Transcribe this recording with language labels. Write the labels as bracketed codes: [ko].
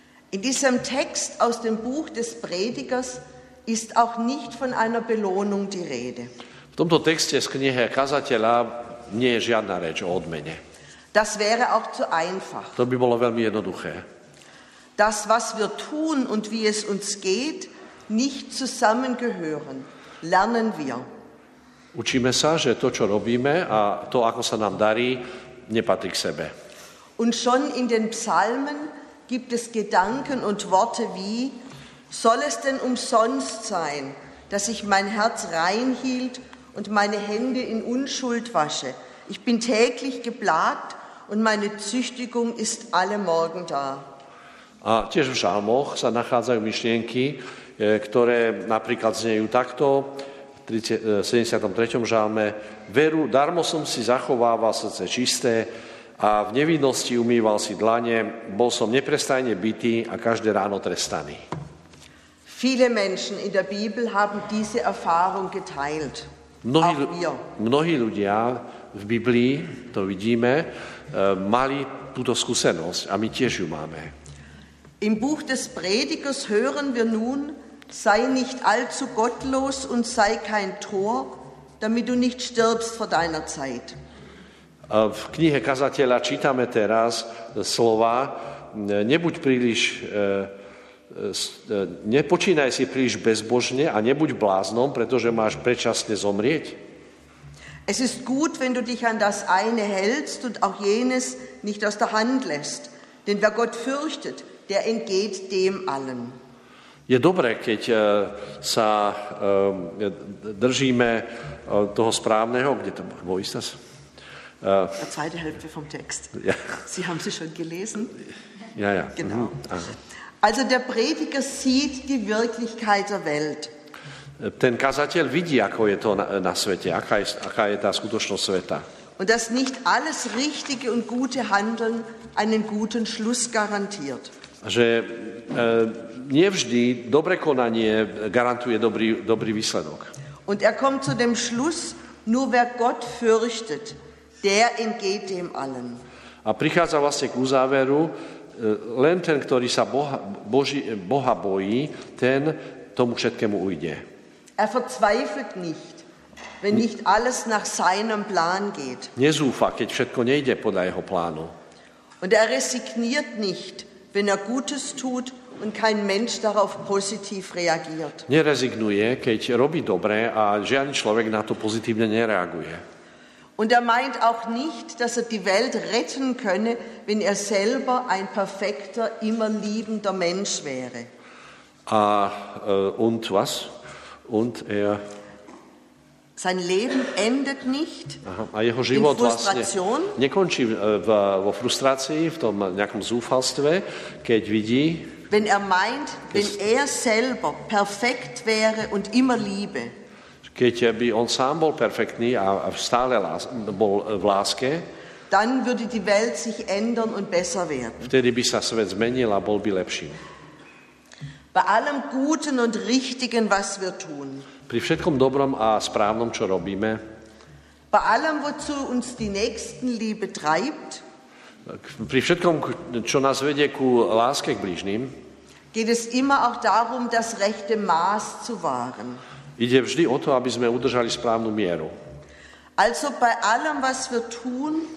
[de] In diesem Text aus dem Buch des Predigers ist auch nicht von einer Belohnung die Rede. [sk] V tomto texte z knihy Kazateľa nie je žiadna reč o odmene. [de] Das wäre auch zu einfach. [sk] To by bolo veľmi jednoduché. [de] Das, was wir tun und wie es uns geht, nicht zusammengehören, lernen wir. [sk] Učíme sa, že to, čo robíme a to, ako sa nám darí, nepatrí k sebe. [de] Und schon in den Psalmen gibt es Gedanken und Worte wie, soll es denn umsonst sein, dass ich mein Herz reinhielt und meine Hände in Unschuld wasche? Ich bin täglich geplagt und meine Züchtigung ist alle Morgen da. [sk] A tiež v žalmoch sa nachádzajú myšlienky, ktoré napríklad znejú takto, v 73. žalme, veru, darmo som si zachovával srdce čisté a v nevinnosti umýval si dlane, bol som neprestajne bitý a každé ráno trestaný. [de] Viele Menschen in der Bibel haben diese Erfahrung geteilt. [sk] Mnohí ľudia v Biblii, to vidíme, mali túto skúsenosť a my tiež ju máme. [de] Im Buch des Predigers hören wir nun, sei nicht allzu gottlos und sei kein Tor, damit du nicht stirbst vor deiner Zeit. [sk] V knihe Kazateľa čítame teraz slova, nebuď príliš, nepočínaj si príliš bezbožne a nebuď bláznom, pretože máš predčasne zomrieť. [de] Es ist gut, wenn du dich an das eine hältst und auch jenes nicht aus der Hand lässt, denn wer Gott fürchtet, der entgeht dem allem. [sk] Je dobré, keď sa držíme toho správneho, kde to, [de] wo ist das? Der zweite Hälfte vom Text. Ja. Sie haben sie schon gelesen? Ja, ja. Genau. Also der Prediger sieht die Wirklichkeit der Welt. [sk] Ten kazateľ vidí, ako je to na svete, aká je tá skutočnosť sveta. [de] Und dass nicht alles richtige und gute Handeln einen guten Schluss garantiert. [sk] Že nevždy dobre konanie garantuje dobrý výsledok. [de] Und kommt zu dem Schluss, nur wer Gott fürchtet, der entgeht dem allen. [sk] A prichádza vlastne k uzáveru, len ten, ktorý sa Boha bojí, ten tomu všetkému ujde. [de] Verzweifelt nicht, wenn nicht alles nach seinem Plan geht. [sk] Nezúfa, keď všetko nejde podľa jeho plánu. [de] Und resigniert nicht, wenn Gutes tut und kein Mensch darauf positiv reagiert. [sk] Nerezignuje, keď robí dobré a žiadny človek na to pozitívne nereaguje. [de] Und er meint auch nicht, dass er die Welt retten könne, wenn er selber ein perfekter, immer liebender Mensch wäre. Und was? Und er... Sein Leben endet nicht. [sk] Aha, a jeho život vlastne nekončí vo frustrácii, v tom nejakom zúfalstve, keď vidí... [de] Wenn er meint, wenn er selber perfekt wäre und immer liebe. [sk] Keď by on sám bol perfektný a stále bol v láske, [de] dann würde die Welt sich ändern und besser werden. [sk] Vtedy by sa svet zmenil a bol by lepší. [de] Bei allem Guten und Richtigen, was wir tun. [sk] Pri všetkom dobrom a správnom, čo robíme. [de] Bei allem, wozu uns die Nächstenliebe treibt. [sk] Pri všetkom, čo nás vedie ku láske k blížnym. [de] Geht es immer auch darum, das rechte Maß zu wahren. [sk] Ide vždy o to, aby sme udržali správnu mieru. [de] Also bei allem, was wir tun.